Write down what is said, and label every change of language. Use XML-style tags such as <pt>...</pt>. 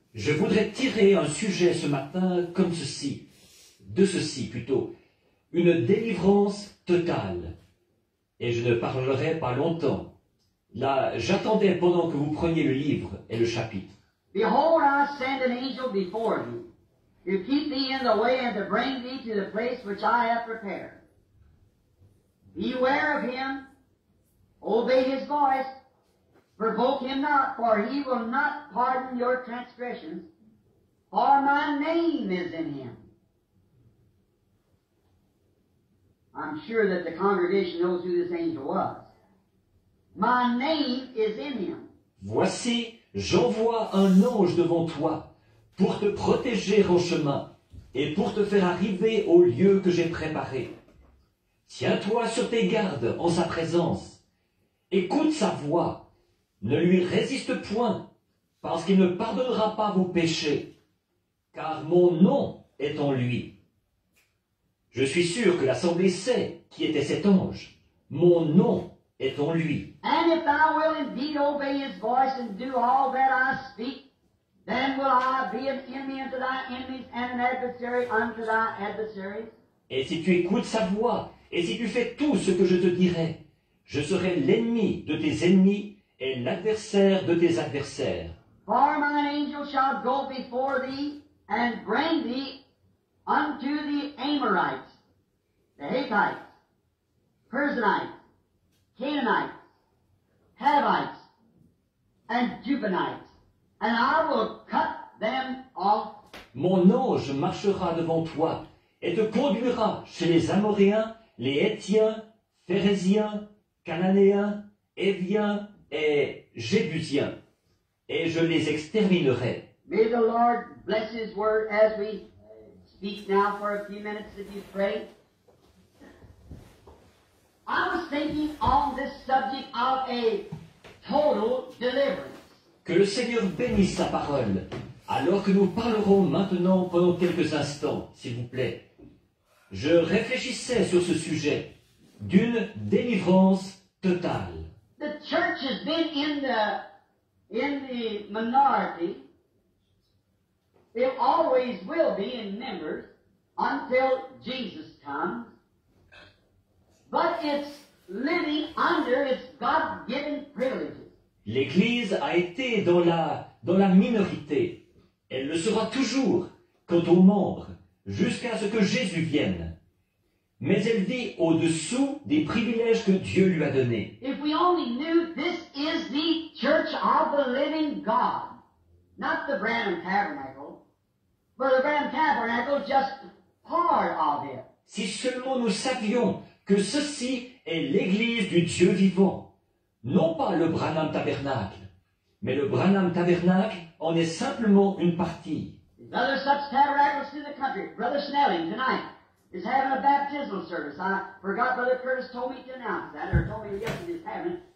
<fr>Je voudrais tirer un sujet ce matin comme ceci, de ceci plutôt, une délivrance totale. Et je ne parlerai pas longtemps. Là, j'attendais pendant que vous preniez le livre et le chapitre.</fr> <en>Behold, I send an angel before you. To keep thee in the way and to bring thee to the place which I have prepared. Beware of him, obey his voice, provoke him not, for he will not pardon your transgressions, for my name is in him. I'm sure that the congregation knows who this angel was. My name is in him.</en> <fr>Voici, j'envoie un ange devant toi. pour te protéger en chemin et pour te faire arriver au lieu que j'ai préparé. Tiens-toi sur tes gardes en sa présence. Écoute sa voix. Ne lui résiste point, parce qu'il ne pardonnera pas vos péchés, car mon nom est en lui. Je suis sûr que l'assemblée sait qui était cet ange. Mon nom est en lui.</fr> <en>And if I will indeed obey his voice and do all that I speak, then will I be an enemy unto thy enemies and an adversary unto thy adversaries?</en> <fr>Et si tu écoutes sa voix, et si tu fais tout ce que je te dirai, je serai l'ennemi de tes ennemis et l'adversaire de tes adversaires.</fr> <en>For mine angel shall go before thee and bring thee unto the Amorites, the Hittites, Perizzites, Canaanites, Hivites, and Jebusites, and I will cut them off.</en> <fr>Mon ange marchera devant toi et te conduira chez les Amoréens, les Hétiens, Phéréziens, Cananéens, Héviens et Jébusiens, et je les exterminerai.</fr> <en>May the Lord bless his word as we speak now for a few minutes if you pray. I was thinking on this subject of a total deliverance.</en> <fr>Que le Seigneur bénisse sa parole, alors que nous parlerons maintenant pendant quelques instants, s'il vous plaît. Je réfléchissais sur ce sujet d'une délivrance totale.</fr> <en>The church has been in the minority. It always will be in members until Jesus comes. But it's living under its God-given privileges.</en> <fr>L'Église a été dans la minorité. Elle le sera toujours quant aux membres, jusqu'à ce que Jésus vienne. Mais elle vit au-dessous des privilèges que Dieu lui a donnés.</fr> <en>If we only knew this is the church of the living God, not the Branham Tabernacle, but the Branham Tabernacle just part of it.</en> <fr>Si seulement nous savions que ceci est l'Église du Dieu vivant, non pas le Branham Tabernacle, mais le Branham Tabernacle en est simplement une partie.</fr> <en>Another such tabernacle in the country, Brother Snelling, tonight, is having a baptismal service. I forgot Brother Curtis told me to announce that, or told me yesterday he's having it.</en>